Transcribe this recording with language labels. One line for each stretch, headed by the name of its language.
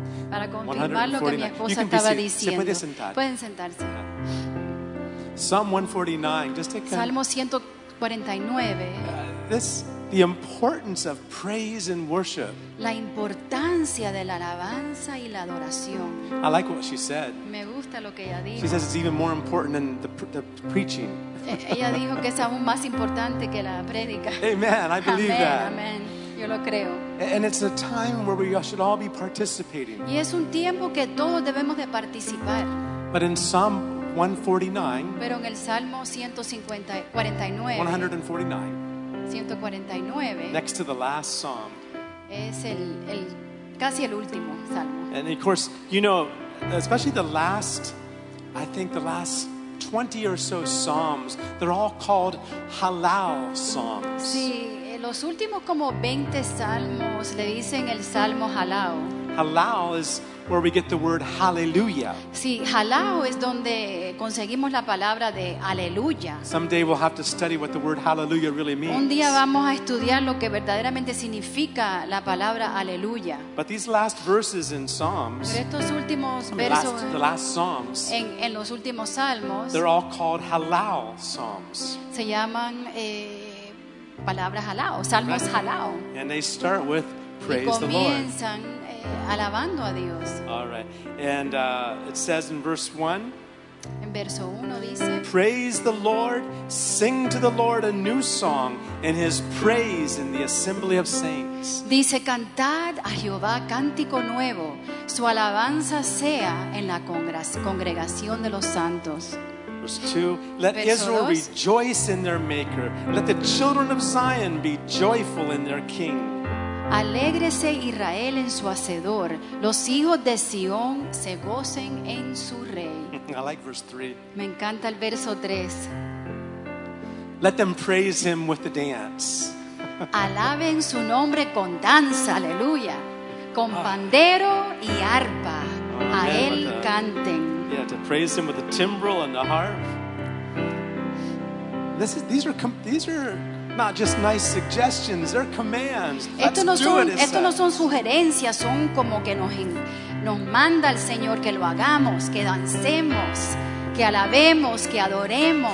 Spanish: Para confirmar lo que mi esposa estaba diciendo. Se puede sentar. Pueden sentarse.
English: Psalm 149. Just to
Spanish: Salmo 149.
English: This the importance of praise and worship.
Spanish: La importancia de la alabanza y la adoración.
English: I like what she said.
Spanish: Me gusta lo que ella dijo.
English: She says it's even more important than the preaching.
Spanish: Ella dijo que es aún más importante que la prédica.
English: Amen, I believe amen, that.
Spanish: Amen. Yo lo creo.
English: And it's a time where we should all be participating.
Spanish: Y es un tiempo que todos debemos de participar.
English: But in Psalm 149.
Spanish: Pero en el Salmo 149.
English: Next to the last psalm.
Spanish: Es el casi el último salmo.
English: And of course, you know, especially the last, I think the last 20 or so psalms, they're all called halal psalms.
Spanish: Sí, los últimos como 20 salmos le dicen el salmo halal.
English: Halal is where we get the word hallelujah.
Spanish: Sí, halal es donde conseguimos la palabra de aleluya.
English: Someday we'll have to study what the word hallelujah really means.
Spanish: Un día vamos a estudiar lo que verdaderamente significa la palabra aleluya.
English: But these last verses in Psalms,
Spanish: pero estos últimos versos,
English: the last Psalms,
Spanish: en los últimos salmos,
English: they're all called halal Psalms.
Spanish: Se llaman palabras halal, salmos halal.
English: Right. And they start with praise the Lord.
Spanish: Y comienzan alabando a Dios.
English: All right. And it says in verse 1,
Spanish: En verso 1 dice,
English: praise the Lord, sing to the Lord a new song in his praise in the assembly of saints.
Spanish: Dice, cantad a Jehová cántico nuevo, su alabanza sea en la congregación de los santos.
English: Verse 2, let Israel rejoice in their maker, let the children of Zion be joyful in their king.
Spanish: Alégrese Israel en su hacedor, los hijos de Sion se gocen en su rey.
English: I like verse 3.
Spanish: Me encanta el verso 3.
English: Let them praise him with the dance.
Spanish: Alaben su nombre con danza, aleluya, con pandero y arpa, a él canten.
English: Yeah, to praise him with the timbrel and the harp. These are not just nice suggestions, they're commands.
Spanish: Esto no son sugerencias, son como que nos manda el Señor que lo hagamos, que dancemos, que alabemos, que adoremos.